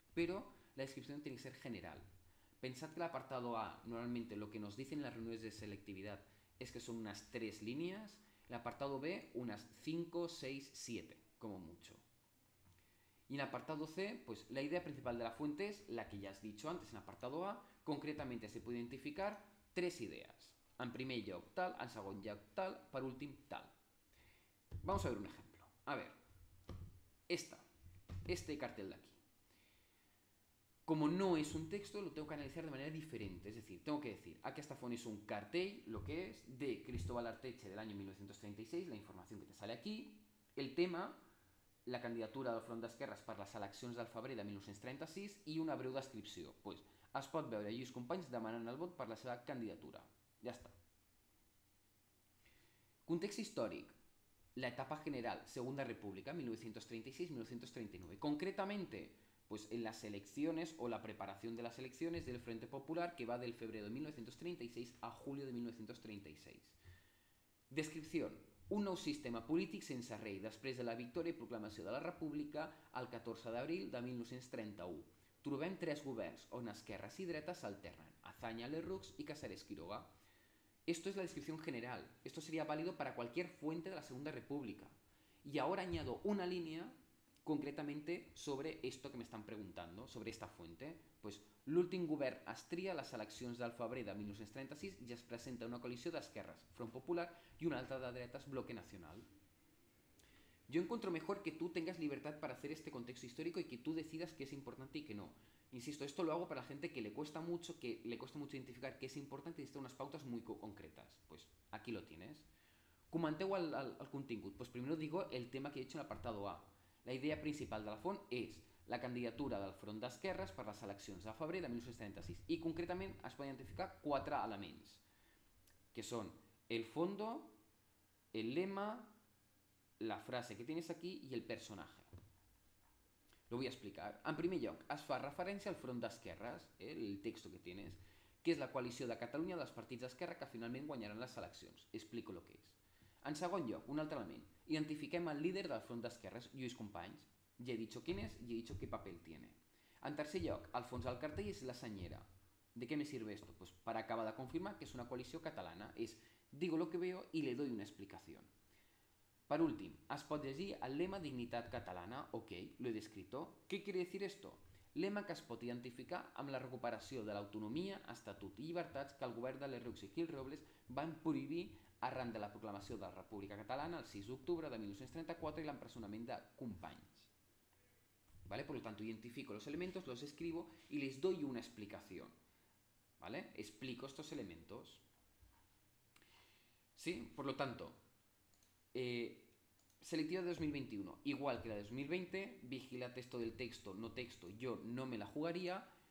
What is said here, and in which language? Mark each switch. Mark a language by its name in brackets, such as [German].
[Spanish] Pero la descripción tiene que ser general. Pensad que el apartado A, normalmente lo que nos dicen en las reuniones de selectividad es que son unas 3 líneas, el apartado B unas 5, 6, 7, como mucho. Y en el apartado C, pues la idea principal de la fuente es la que ya has dicho antes, en el apartado A, concretamente se puede identificar 3 idees. [Catalan] En primer lloc tal, en segon lloc tal, per últim tal. [Spanish] Vamos a ver un ejemplo. A ver, este cartel de aquí. Como no es un texto, lo tengo que analizar de manera diferente. Es decir, tengo que decir, aquí esta fuente es un cartel, lo que es, de Cristóbal Arteche del año 1936, la información que te sale aquí. [Catalan] El tema, la candidatura del Front d'Esquerres per les eleccions del febrer de 1936 i una breu descripció. Pues, es pot veure allí els companys demanant el vot per la seva candidatura. Ja està. Context històric. [Spanish] La etapa general, Segunda República, 1936-1939. Concretamente, pues en las elecciones o la preparación de las elecciones del Frente Popular que va del febrero de 1936 a julio de 1936. Descripción. [Catalan] un nou sistema polític sense rei, després de la victòria i proclamació de la República el 14 d'abril de 1931. Trobem tres governs on esquerres i dretes s'alternen, Azaña, Lerroux i Casares Quiroga. [Spanish] Esto es la descripción general, esto sería válido para cualquier fuente de la Segunda República. Y ahora añado una línea concretamente sobre esto que me están preguntando, sobre esta fuente. [Catalan] Pues l'últim govern estria les eleccions del febrer de 1936 i es presenta una coalició d'esquerres, Front Popular, i una altra de dretes, Bloque Nacional. [Spanish] Yo encuentro mejor que tú tengas libertad para hacer este contexto histórico y que tú decidas qué es importante y qué no. Insisto, esto lo hago para la gente que le cuesta mucho identificar qué es importante y necesita unas pautas muy concretas. Pues aquí lo tienes. [Catalan] Comenteu al contingut. [Spanish] Pues primero digo el tema que he hecho en el apartado A. La idea principal de la FON es la candidatura del Front d'Esquerres [Catalan] per les eleccions de febrer de 1936. I concretament es poden identificar quatre elements, que són [Spanish] el fondo, el lema, la frase que tienes aquí y el personaje. Lo voy a explicar. [Catalan] En primer lloc, es fa referència al Front d'Esquerres, [Spanish] el texto que tienes, [Catalan] que es la coalició de Catalunya dels partits d'esquerra que finalment guanyaran les eleccions. Explico lo que és. En segon lloc, un altre element. Identifiquem el líder del Front d'Esquerres, Lluís Companys. Ja he dit quin és i he dit què paper tiene. En tercer lloc, al fons del cartell és la senyera. [Spanish] ¿De què me sirve esto? Pues para acabar de confirmar que es una coalició catalana. Es digo lo que veo y le doy una explicación. [Catalan] Per últim, es pot llegir el lema Dignitat Catalana, ok, [Spanish] lo he descrito. ¿Qué quiere decir esto? [Catalan] Lema que es pot identificar amb la recuperació de l'autonomia, estatut i llibertats que el govern de Lerroux i Gil Robles van prohibir arran de la proclamació de la República Catalana el 6 d'octubre de 1934 i l'empresonament de Companys. [Spanish] ¿Vale? Por lo tanto, identifico los elementos, los escribo y les doy una explicación. ¿Vale? Explico estos elementos. ¿Sí? Por lo tanto, selectiva de 2021, igual que la de 2020, vigila texto del texto, no texto, yo no me la jugaría.